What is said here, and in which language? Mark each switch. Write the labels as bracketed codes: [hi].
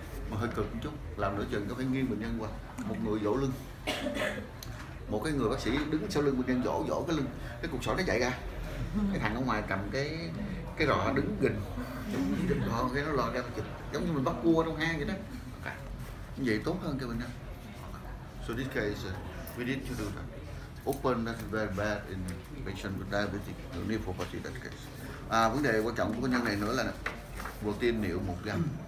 [vi] Mà hơi cực một chút, làm nửa chừng có phải nghiêng bệnh nhân qua, một người dỗ lưng, một cái người bác sĩ đứng sau lưng bệnh nhân dỗ cái lưng, cái cục sỏi nó chạy ra. Cái thằng ở ngoài cầm cái rọ đứng gình giống như cái nó lo ra chụp giống như mình bắt cua trong hang vậy đó. Okay. Vậy tốt hơn cho mình nhau. [en] So this case we need to do that. Open that is very bad in patient with diabetic nephropathy that case. [vi] Vấn đề quan trọng của bệnh nhân này nữa là protein niệu 1 gram.